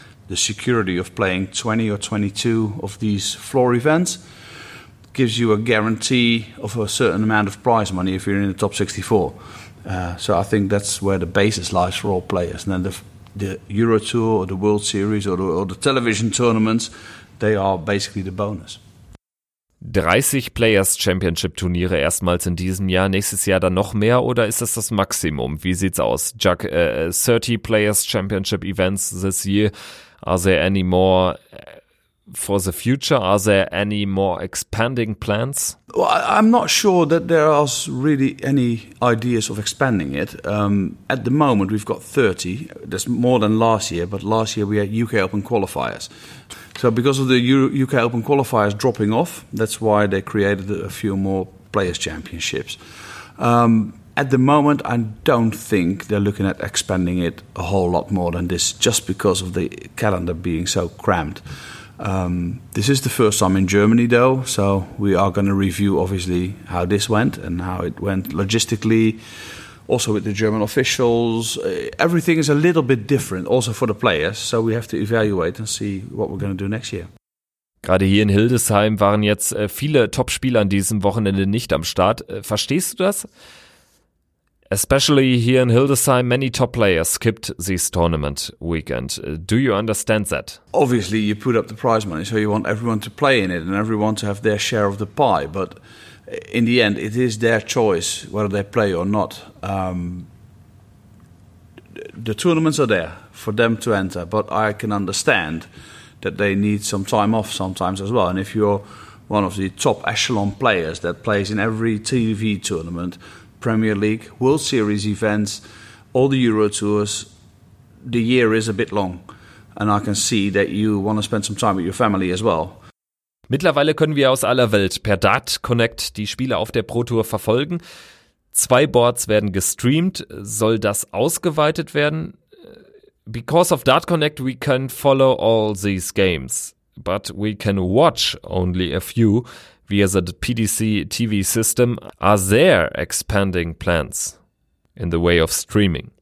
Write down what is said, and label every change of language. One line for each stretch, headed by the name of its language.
English: The security of playing 20 or 22 of these floor events gives you a guarantee of a certain amount of prize money if you're in the top 64. So I think that's where the basis lies for all players. And then the Euro Tour or the World Series or the television tournaments, they are basically the bonus.
German: 30 Players Championship Turniere erstmals in diesem Jahr, nächstes Jahr dann noch mehr, oder ist das das Maximum? Wie sieht's aus,
English: Jack? 30 Players Championship Events this year. Are there any more for the future? Are there any more expanding plans? Well, I'm not sure that there are really any ideas of expanding it. At the moment, we've got 30. That's more than last year, but last year we had UK Open qualifiers. So because of the UK Open qualifiers dropping off, that's why they created a few more players' championships. At the moment, I don't think they're looking at expanding it a whole lot more than this, just because of the calendar being so crammed. This is the first time in Germany, though, so we are going to review, obviously, how this went and how it went logistically. Also with the German officials, everything is a little bit different, also for the players. So we have to evaluate and see what we're going to do next year.
German: Gerade hier in Hildesheim waren jetzt viele Top-Spieler an diesem Wochenende nicht am Start. Verstehst du das?
English: Especially here in Hildesheim, many top players skipped this tournament weekend. Do you understand that? Obviously, you put up the prize money, so you want everyone to play in it and everyone to have their share of the pie, but in the end, it is their choice whether they play or not. The tournaments are there for them to enter, but I can understand that they need some time off sometimes as well. And if you're one of the top echelon players that plays in every TV tournament, Premier League, World Series events, all the Euro Tours, the year is a bit long. And I can see that you want to spend some time with your family as well.
German: Mittlerweile können wir aus aller Welt per Dart Connect die Spiele auf der Pro Tour verfolgen. Zwei Boards werden gestreamt. Soll das ausgeweitet werden?
English: Because of Dart Connect, we can follow all these games. But we can watch only a few via the PDC TV system. Are there expanding plans in the way of streaming?